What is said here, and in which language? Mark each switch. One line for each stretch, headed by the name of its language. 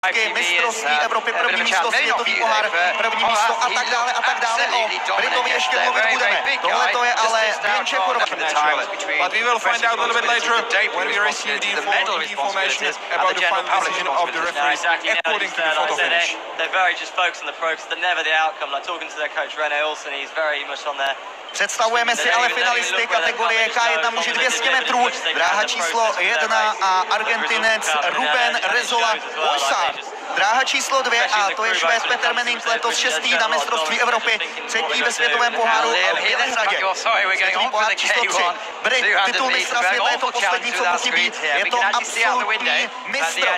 Czech: Evropské mistrovství Evropy, první místo, světový pohár, první místo a tak dále a tak dále. O Britovi ještě mluvit budeme. Tohle to je ale Běnče Chorvatov.
English: But we will find out a little bit later when we receive the formal information about the final decision of the referees according to the photo finish. They're very just focused on the pros, they're never the outcome. Like talking to their coach René Olsen, he's very much on there.
Czech: Představujeme si ale finalisty kategorie K1 muži 200 metrů, dráha číslo 1 a Argentinec Ruben Rezola Bojsa. Dráha číslo 2 a to je Švéd Petter Menning, letos 6. na mistrovství Evropy, 3. ve světovém poháru a v Bělehradě. Světový pohár číslo 3, Brit, titul mistra světa, je to poslední, co musí být, je to absolutní mistr.